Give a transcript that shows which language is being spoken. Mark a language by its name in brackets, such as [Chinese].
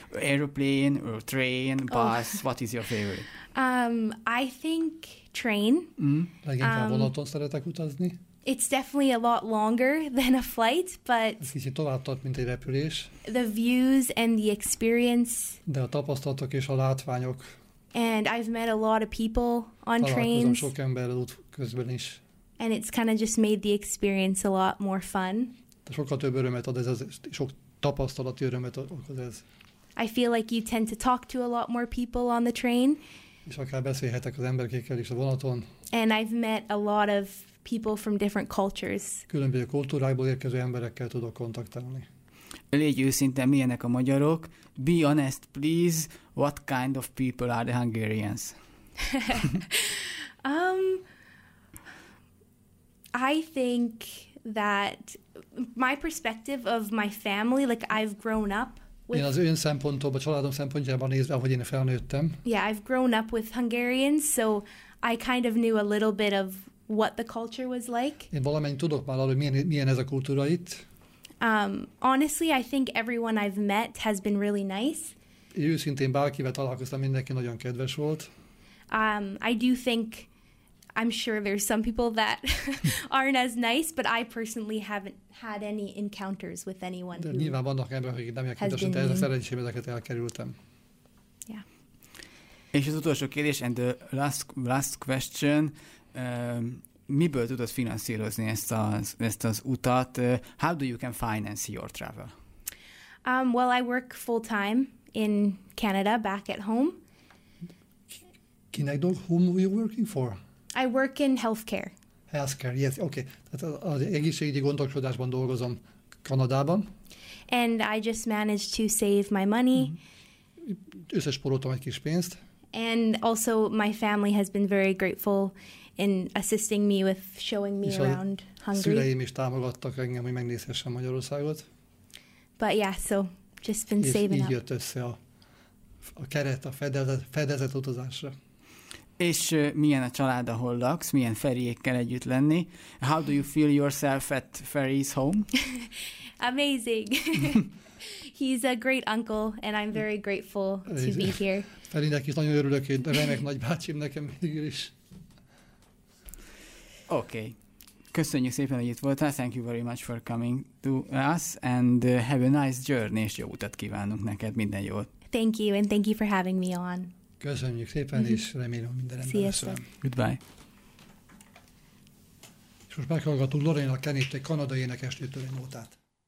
[English] Aeroplane, or train, bus, what is your favorite? I think train. [Hungarian] Leginkább vonaton szeretek utazni. [English] It's definitely a lot longer than a flight, but... [Hungarian] Ez kicsit tovább tart, mint egy repülés. [English] The views and the experience. [Hungarian] De a tapasztalatok és a látványok. [English] And I've met a lot of people on trains. [Hungarian] Találkozom sok emberrel út közben is. [English] And it's kind of just made the experience a lot more fun. [Hungarian] De sokkal több örömet ad ez, sok tapasztalati örömet ad ez. [English] I feel like you tend to talk to a lot more people on the train. [Hungarian] És akár beszélhetek az emberekkel is a vonaton. [English] And I've met a lot of people from different cultures. [Hungarian] Különböző kultúrákból érkező emberekkel tudok kontaktálni. Légy őszinte, milyenek a magyarok? [English] Be honest, please. What kind of people are the Hungarians? I think that my perspective of my family, like I've grown up. [Hungarian] Én az ön szempontból, a családom szempontjából nézve, ahogy én felnőttem. [English] Yeah, I've grown up with Hungarians, so I kind of knew a little bit of what the culture was like. [Hungarian] Én valamennyi tudok már arra, milyen ez a kultúra itt. [English] Honestly, I think everyone I've met has been really nice. [Hungarian] Én őszintén bárkivel találkoztam, mindenki nagyon kedves volt. [English] I do think, I'm sure there's some people that aren't as nice, but I personally haven't had any encounters with anyone. [Hungarian] De nyilván vannak emberek, akik nem jelkintesen, tehát a szerencsém ezeket elkerültem. [English] Yeah. [Hungarian] És az utolsó kérdés, [English] and the last question, [Hungarian] miből tudod finanszírozni ezt az utat? [English] How do you can finance your travel? Well, I work full-time in Canada, back at home. [Hungarian] Kinek dolg? [English] Whom are you working for? I work in healthcare. healthcare. Yes, okay. [Hungarian] Tehát az egészségügyi gondoskodásban dolgozom Kanadában. [English] And I just managed to save my money. [Hungarian] Összesporoltam egy kis pénzt. [English] And also my family has been very grateful in assisting me with showing me around Hungary. [Hungarian] Szüleim is támogattak engem, hogy megnézhessem Magyarországot. [English] But yeah, so just been saving up. [Hungarian] És így jött össze a keret, a fedezet utazásra. És milyen a család, ahol laksz? Milyen Feriékkel együtt lenni? [English] How do you feel yourself at Feri's home? Amazing. He's a great uncle, and I'm very grateful to be here. [Hungarian] Ferinek is nagyon örülök, én remek nagybácsim nekem mindig is. [English] Okay. [Hungarian] Köszönjük szépen, hogy itt voltál. [English] Thank you very much for coming to us, and have a nice journey, [Hungarian] és jó utat kívánunk neked, minden jót. [English] Thank you, and thank you for having me on. [Hungarian] Köszönjük szépen, és remélem minden rendben lesz. [English] Goodbye. [Hungarian] És most meghallgatunk Lorraine-nak Kennett egy kanadai énekesnőtől egy nótát.